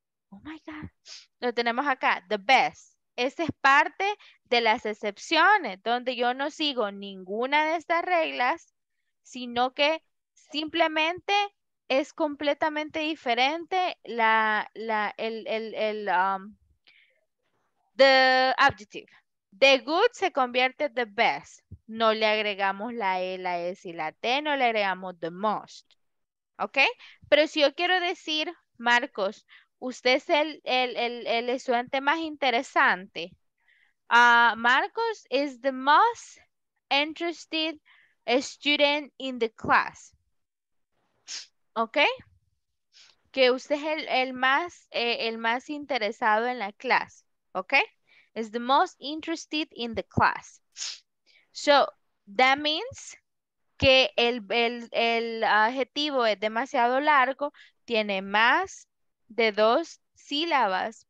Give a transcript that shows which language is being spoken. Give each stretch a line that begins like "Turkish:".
English: oh my God,
Spanish: lo tenemos acá,
English: the best,
Spanish: esa es parte de las excepciones, donde yo no sigo ninguna de estas reglas, sino que simplemente es completamente diferente
English: the adjective. The good
Spanish: se convierte en
English: the best.
Spanish: No le agregamos la E, la S y la T. No le agregamos
English: the most.
Spanish: ¿Ok? Pero si yo quiero decir, Marcos, usted es el estudiante más interesante.
English: Marcos is the most interested student in the class. ¿Ok?
Spanish: Que usted es el más interesado en la clase.
English: ¿Ok? Is the most interested in the class. So, that means
Spanish: que el adjetivo es demasiado largo, tiene más de dos sílabas.